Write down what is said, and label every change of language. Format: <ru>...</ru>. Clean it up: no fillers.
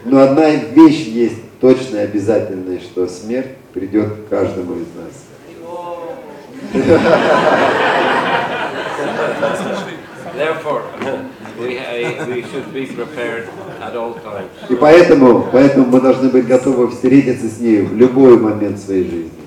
<ru>Но одна вещь есть точная, обязательная, что смерть придет к каждому из нас.</ru> <en>Therefore, we should be prepared at all times.</en> <ru>И поэтому мы должны быть готовы встретиться с ней в любой момент своей жизни.</ru>